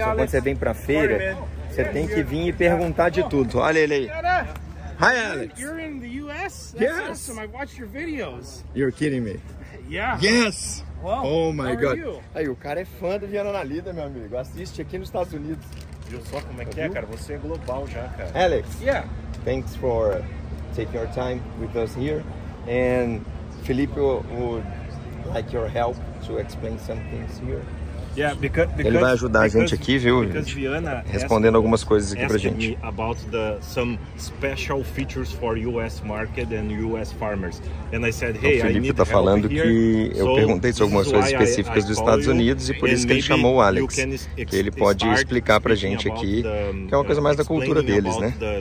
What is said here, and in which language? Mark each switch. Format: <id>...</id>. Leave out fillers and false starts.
<pt>quando você vem para feira, você tem que vir e perguntar de tudo. Olha ele aí.</pt> <en>Hi,</en> <pt>Alex.</pt> <en>You're in the U.S.? That's yes. Awesome. I watched your videos. You're kidding me. Yeah. Yes. Well, oh, my God. How are you?</en> <pt>Aí, o cara é fã do Viana na Lida, meu amigo. Assiste aqui nos Estados Unidos. Viu só como é que é, cara? Você é global já, cara.</pt> <en>Alex. Yeah. Thanks for taking your time with us here. And Felipe would like your help to explain some things here.</en> <pt>Ele vai ajudar a gente aqui, viu, gente, Viana, respondendo algumas coisas aqui pra gente.</pt> <en>Me about the some special features for US market and US farmers. And I said, hey,</en> <pt>o Felipe está falando</pt> <en>here,</en> <pt>que eu perguntei sobre algumas coisas específicas dos Estados Unidos e por isso que ele chamou o Alex, que ele pode explicar pra gente aqui, que é uma coisa mais da cultura deles, né?</pt>